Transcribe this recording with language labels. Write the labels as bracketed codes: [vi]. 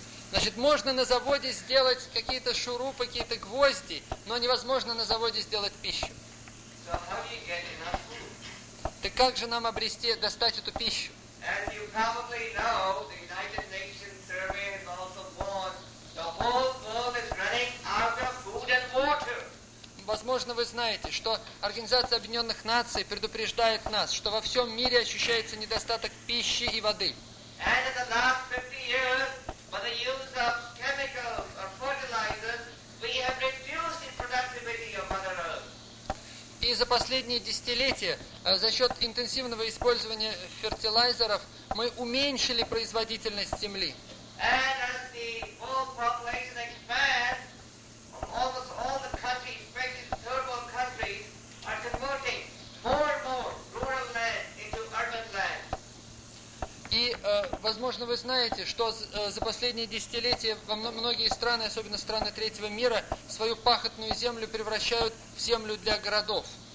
[ru] Значит, можно на заводе сделать какие-то шурупы, какие-то гвозди, но невозможно на заводе сделать пищу. [en] So how do you get enough food? [ru] Так как же нам обрести, достать эту пищу? [en] As you probably know, the United Nations survey has also warned, the whole world is running out of food and water. [ru] Возможно, вы знаете, что Организация Объединенных Наций предупреждает нас, что во всем мире ощущается недостаток пищи и воды. [en] And in the last 50 years, by the use of chemicals or fertilizers, we have reduced the productivity of Mother Earth. [ru] И за последние десятилетия, за счет интенсивного использования фертилайзеров, мы уменьшили производительность Земли. [en] And as the world population expands, almost all the countries, especially the third world countries, are converting more and more rural land into urban land. [ru] И, возможно, возможно, вы знаете, что за последние десятилетия многие страны, особенно страны третьего мира, свою пахотную землю превращают в землю для городов.